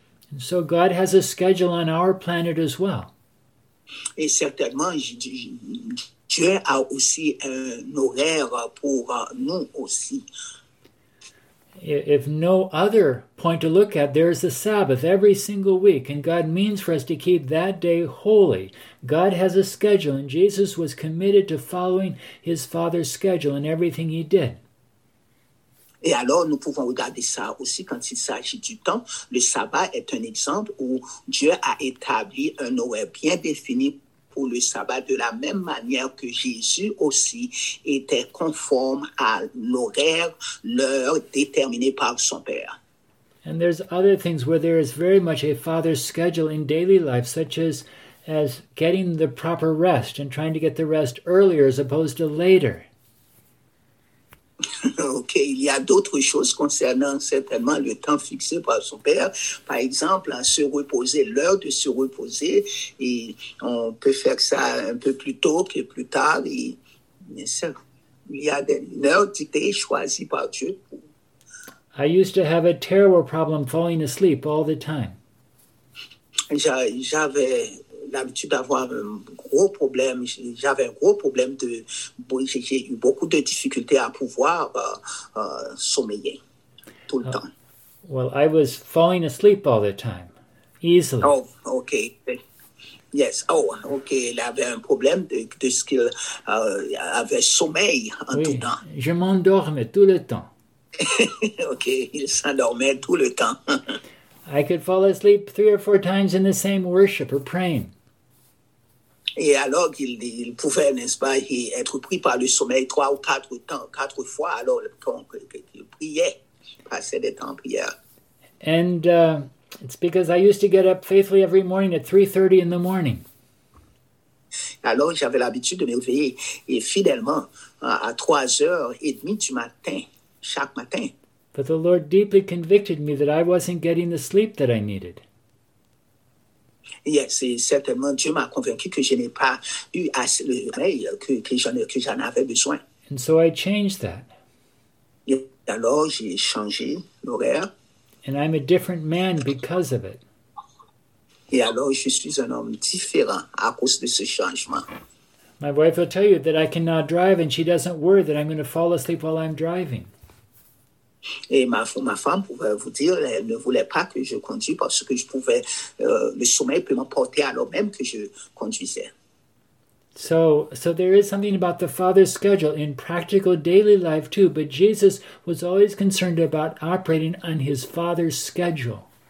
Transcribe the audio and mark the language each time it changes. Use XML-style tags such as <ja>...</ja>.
<en>And so God has a schedule on our planet as well.</en> <fr>Et certainement, Dieu a aussi un horaire pour nous aussi.</fr> <en>If no other point to look at, there is the Sabbath every single week, and God means for us to keep that day holy. God has a schedule, and Jesus was committed to following his Father's schedule in everything he did.</en> <fr>Et alors, nous pouvons regarder ça aussi quand il s'agit du temps. Le sabbat est un exemple où Dieu a établi un horaire bien défini pour le sabbat de la même manière que Jésus aussi était conforme à l'horaire, l'heure déterminée par son Père.</fr> <en>And there's other things where there is very much a father's schedule in daily life, such as getting the proper rest and trying to get the rest earlier as opposed to later.</en> <fr>OK, il y a d'autres choses concernant certainement le temps fixé par son père. Par exemple, se reposer, l'heure de se reposer. Et on peut faire ça un peu plus tôt que plus tard. Mais ça, il y a une heure dictée, choisie par Dieu.</fr> <en>I used to have a terrible problem falling asleep all the time.</en> <fr>J'avais l'habitude d'avoir un gros problème. J'avais un gros problème de. J'ai eu beaucoup de difficultés à pouvoir sommeiller tout le temps.</fr> <en>Well, I was falling asleep all the time, easily. Oh, OK. Yes. Oh, OK.</en> <fr>Il avait un problème de ce qu'il avait sommeil en tout Oui, je m'endormais tout le temps. temps. OK. Il s'endormait tout le temps.</fr> <en>I could fall asleep three or four times in the same worship or praying.</en> <fr>Et alors il pouvait, n'est-ce pas, être pris par le sommeil trois ou quatre temps, quatre fois, alors qu'il priait, passait des temps en prière.</fr> <en>And it's because I used to get up faithfully every morning at 3:30 in the morning.</en> <fr>Alors j'avais l'habitude de me réveiller et fidèlement à 3h30 du matin, chaque matin.</fr> <en>But the Lord deeply convicted me that I wasn't getting the sleep that I needed.</en> <fr>Yes, et certainement Dieu m'a convaincu que je n'ai pas eu assez de sommeil que j'en avais besoin.</fr> <en>And so I changed that.</en> <fr>Et alors j'ai changé l'horaire.</fr> <en>And I'm a different man because of it.</en> <fr>Et alors je suis un homme différent à cause de ce changement.</fr> <en>My wife will tell you that I can now drive, and she doesn't worry that I'm going to fall asleep while I'm driving.</en> <fr>Et ma femme pouvait vous dire, elle ne voulait pas que je conduise parce que je pouvais, le sommeil peut m'emporter alors même que je conduisais.</fr> <en>So there is something about the Father's schedule in practical daily life too, but Jesus was always concerned about operating on his Father's schedule.</en>